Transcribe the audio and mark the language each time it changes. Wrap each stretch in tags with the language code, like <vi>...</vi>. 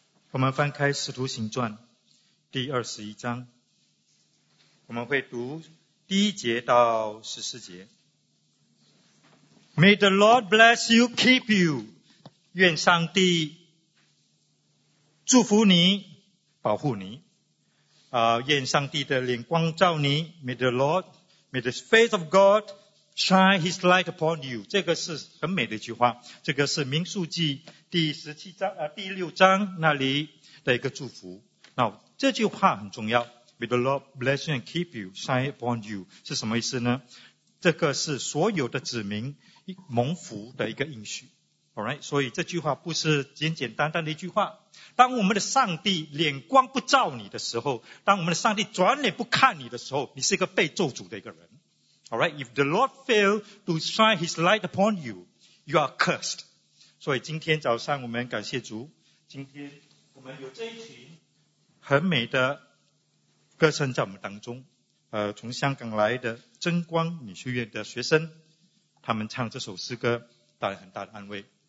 <zh>我们翻开《使徒行传》第21章，我们会读第一节到14节。</zh> <en>May the Lord bless you, keep you.</en> <zh>愿上帝祝福你，保护你。愿上帝的脸光照你。</zh> <en>May the face of God shine his light upon you.</en> <zh>这个是很美的一句话。这个是《民数记》第六章那里的一个祝福。那这句话很重要。</zh> <en>May the Lord bless you and keep you, shine upon you.</en> <zh>是什么意思呢？这个是所有的子民蒙福的一个应许。 Alright, 所以这句话不是简简单单的一句话。当我们的上帝脸光不照你的时候，当我们的上帝转脸不看你的时候，你是一个被咒诅的一个人。</zh> <en>Alright, if the Lord fail to shine his light upon you, you are cursed.</en> <zh>所以今天早上我们感谢主，今天我们有这一群很美的歌声在我们当中，从香港来的真光女学院的学生，他们唱这首诗歌带来很大的安慰。</zh>